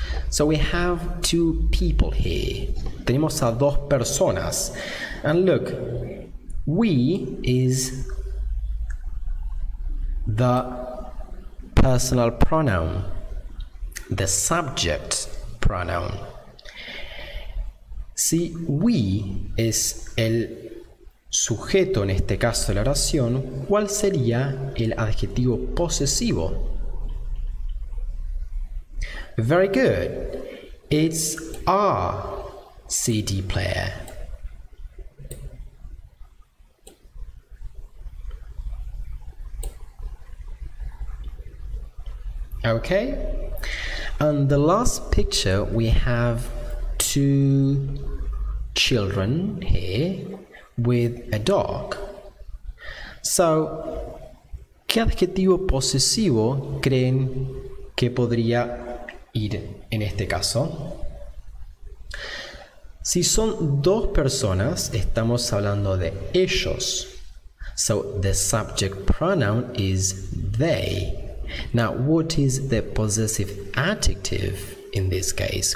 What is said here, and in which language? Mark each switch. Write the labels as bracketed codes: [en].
[en] So we have two people here. [es] Tenemos a dos personas. [en] And look, we is the personal pronoun, the subject pronoun. [es] Si we es el sujeto, en este caso de la oración, ¿cuál sería el adjetivo posesivo? [en] Very good. It's our CD player. Okay, and the last picture, we have two children here with a dog. [es] So, ¿qué adjetivo posesivo creen que podría ir en este caso? Si son dos personas, estamos hablando de ellos. [en] So, the subject pronoun is they. Now, what is the possessive adjective in this case?